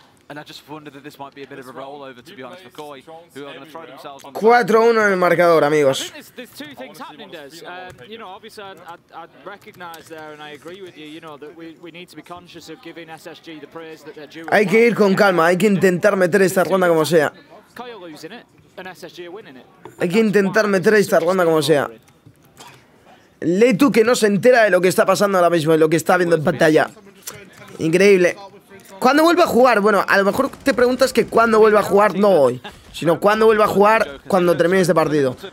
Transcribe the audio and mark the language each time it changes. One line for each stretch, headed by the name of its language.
English: And I just wonder that this might be a bit of a rollover, to be honest, for Koi, who are going to throw themselves on.
Spanish: 4-1 en el marcador, amigos.
English: There's two things happening, Des. You know, obviously, I'd recognize there, and I agree with you, you know, that we need to be conscious of giving SSG the praise that they're due.
Spanish: Hay que ir con calma, hay que intentar meter esta ronda como sea.
English: Koi are losing it, and SSG are winning it.
Spanish: Hay que intentar meter esta ronda como sea. Lee tú que no se entera de lo que está pasando ahora mismo, de lo que está viendo en pantalla. Increíble. ¿Cuándo vuelve a jugar? Bueno, a lo mejor te preguntas que cuándo vuelve a jugar, no hoy, sino cuándo vuelve a jugar cuando termine este partido.